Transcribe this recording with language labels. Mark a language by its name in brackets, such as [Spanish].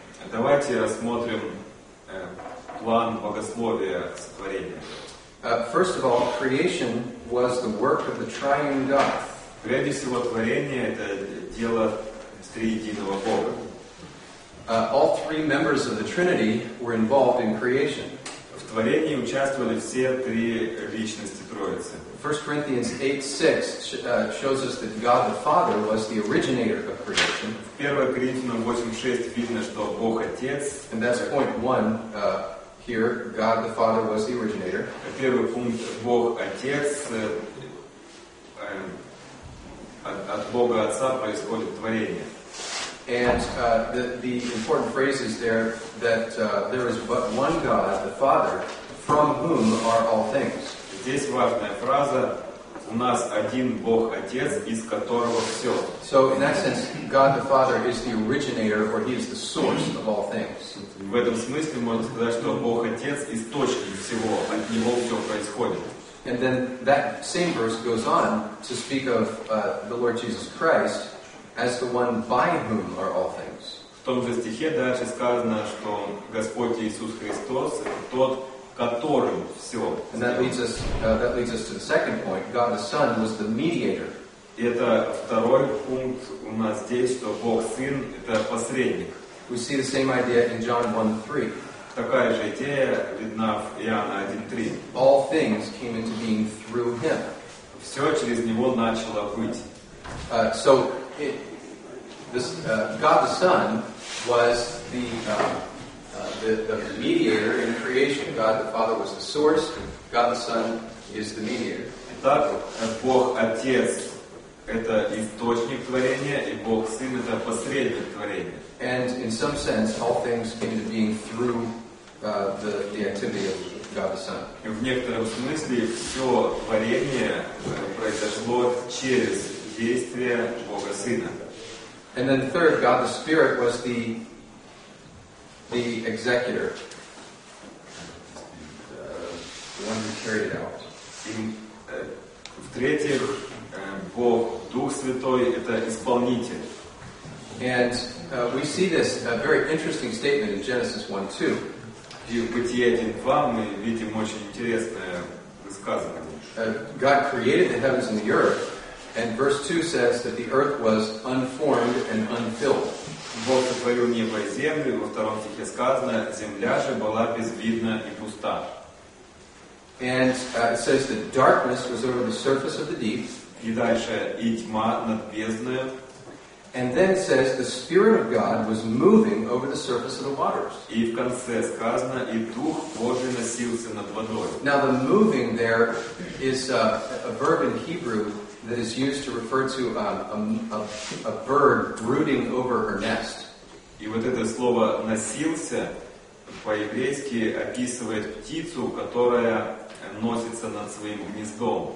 [Russian] Давайте рассмотрим план богословия сотворения. [English] First of all, creation was the work of the triune God. [Russian] Прежде всего, творение это дело триединого Бога. [English] All three members of the Trinity were involved in creation. [Russian] В творении участвовали все три личности Троицы. [English] 1 Corinthians 8:6 shows us that God the Father was the originator of creation. [Russian] В 1 Коринфянам 8:6 видно, что Бог Отец. [English] And that's point one here. God the Father was the originator. [Russian] Первый пункт Бог Отец от Бога Отца происходит творение. [English] And the important phrase is there that there is but one God, the Father, from whom are all things. [Russian] Здесь важная фраза: у нас один Бог Отец, из которого все. [English] So in that sense, God the Father is the originator, or He is the source of all things. [Russian] В этом смысле можно сказать, что Бог Отец источник всего, от него все происходит. [English] And then that same verse goes on to speak of the Lord Jesus Christ as the one by whom are all things. [Russian] В том же стихе дальше сказано, что Господь Иисус Христос – тот, которым все. [English] And that leads us to the second point. God the Son was the mediator. [Russian] Это второй пункт у нас здесь, что Бог Сын – это посредник. [English] We see the same idea in John 1:3. [Russian] Такая же идея видна в Иоанна 1:3. [English] All things came into being through Him. [Russian] Все через Него начало быть. [English] God the Son was the mediator in creation. God the Father was the source. God the Son is the mediator. [Russian] Итак, Бог Отец – это источник творения, и Бог Сын – это посредник творения. [English] And in some sense, all things came into being through the activity of God the Son. [Russian] И в некотором смысле все творение произошло через действие Бога Сына. [English] And then third, God the Spirit was the executor, the one who carried it out. [Russian] В-третьих, Бог Дух Святой – это исполнитель. [English] And we see this a very interesting statement in Genesis 1:2. [Russian] И в Бытие 1:2 мы видим очень интересное высказывание. [English] God created the heavens and the earth, and verse 2 says that the earth was unformed and unfilled. [Russian] Бог сотворил небо и землю, во втором стихе сказано: земля же была безвидна и пуста. [English] And it says that darkness was over the surface of the deep. [Russian] И дальше: и тьма над бездной. [English] And then it says the Spirit of God was moving over the surface of the waters. [Russian] И в конце сказано, и Дух Божий носился над водой. [English] Now the moving there is a verb in Hebrew that is used to refer to a bird brooding over her nest. [Russian] И вот это слово носился по-еврейски описывает птицу, которая носится над своим гнездом.